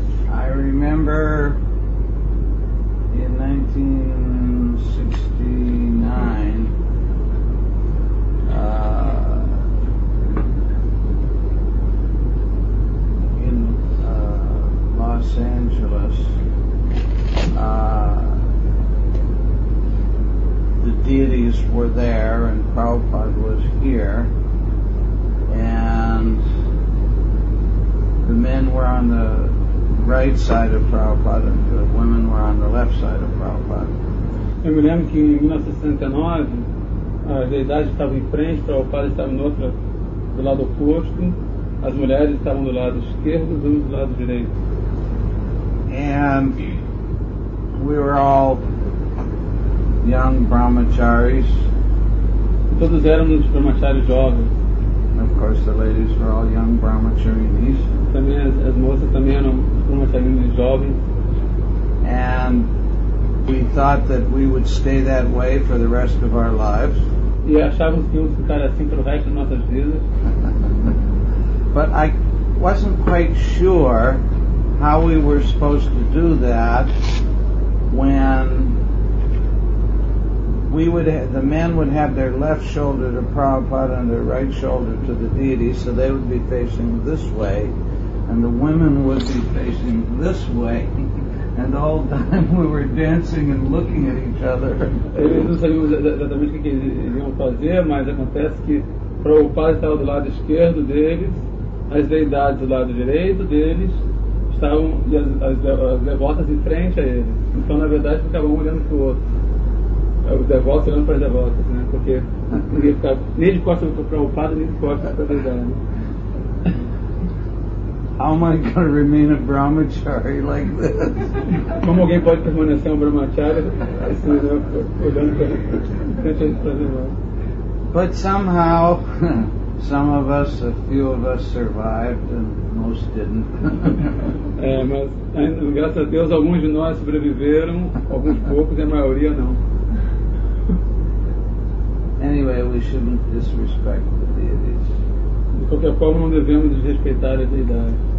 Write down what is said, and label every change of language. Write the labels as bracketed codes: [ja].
[en] I remember in 1969 in Los Angeles, the deities were there and Prabhupada was here, and the men were on the right side of Prabhupada, and the women were on the left side of Prabhupada. [pt] Eu me lembro que em 1969 as deidades estavam em frente, Prabhupada estava no outro, do lado oposto, as mulheres estavam do lado esquerdo, os homens do lado direito. [en] And we were all young brahmacharis. [pt] E todos éramos brahmacharis jovens. [en] And of course the ladies were all young brahmacharinis. [pt] Também as moças também eram brahmacharinis jovens. [en] And we thought that we would stay that way for the rest of our lives. [pt] E achávamos que íamos ficar assim pelo resto das nossas vidas. [en] But I wasn't quite sure how we were supposed to do that when we would the men would have their left shoulder to Prabhupada and their right shoulder to the deity, so they would be facing this way, and the women would be facing this way. And the whole time we were dancing and looking at each other. [pt] Eles não sabiam exatamente o que eles iam fazer, mas acontece que Prabhupada estava do lado esquerdo deles, as deidades do lado direito deles, estavam e as devotas em frente a eles. Então, na verdade, ficavam um olhando para o outro. Os devotos olhando para as devotas, né? Porque ninguém ficava nem de costas para Prabhupada, nem de costas para a deidade. [en] How am I going to remain a brahmachari like this? [pt] Como alguém pode permanecer um brahmachari assim, olhando para frente? [en] But somehow, some of us, a few of us survived, and most didn't. [pt] É, mas graças a Deus alguns de nós sobreviveram, alguns poucos, e a maioria não. [en] Anyway, we shouldn't disrespect the deities. [pt] De qualquer forma, não devemos desrespeitar a deidade.